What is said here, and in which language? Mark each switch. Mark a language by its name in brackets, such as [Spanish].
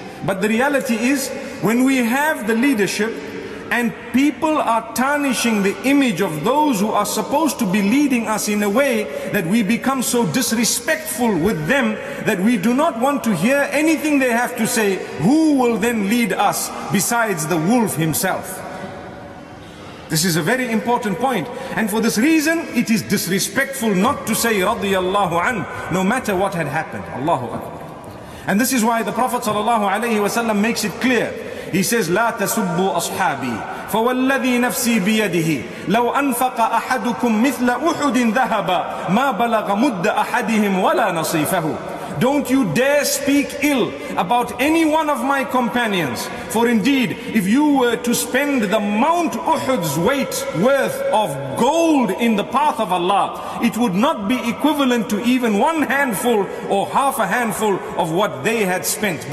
[English] But the reality is, when we have the leadership and people are tarnishing the image of those who are supposed to be leading us in a way that we become so disrespectful with them that we do not want to hear anything they have to say, who will then lead us besides the wolf himself? This is a very important point. And for this reason, it is disrespectful not to say radiyallahu anhu, no matter what had happened. Allahu Akbar. And this is why the Prophet sallallahu alayhi wa sallam makes it clear. He says, [Arabic] لا تسبوا أصحابي فوالذي نفسي بيده لو أنفق أحدكم مثل أحد ذهب ما بلغ مد أحدهم ولا نصيفه. [English] Don't you dare speak ill about any one of my companions. For indeed, if you were to spend the Mount Uhud's weight worth of gold in the path of Allah, it would not be equivalent to even one handful or half a handful of what they had spent.